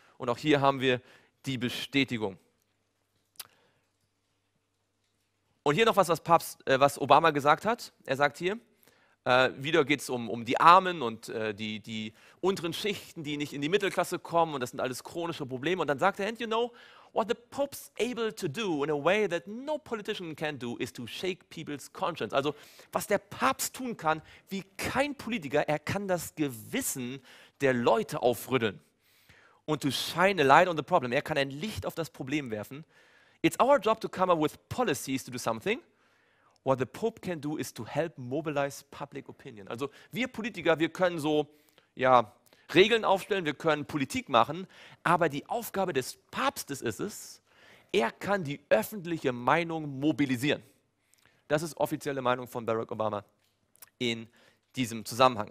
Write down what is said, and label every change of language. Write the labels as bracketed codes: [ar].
[de] Und auch hier haben wir die Bestätigung. Und hier noch was, was Obama gesagt hat. Er sagt hier, wieder geht es um die Armen und die unteren Schichten, die nicht in die Mittelklasse kommen, und das sind alles chronische Probleme. Und dann sagt er, [en] and you know, what the Pope's able to do in a way that no politician can do is to shake people's conscience. [de] Also, was der Papst tun kann, wie kein Politiker, er kann das Gewissen der Leute aufrütteln. Und [en] to shine a light on the problem. [de] Er kann ein Licht auf das Problem werfen. [en] It's our job to come up with policies to do something. What the Pope can do is to help mobilize public opinion. [de] Also wir Politiker, wir können so ja, Regeln aufstellen, wir können Politik machen, aber die Aufgabe des Papstes ist es, er kann die öffentliche Meinung mobilisieren. Das ist offizielle Meinung von Barack Obama in diesem Zusammenhang.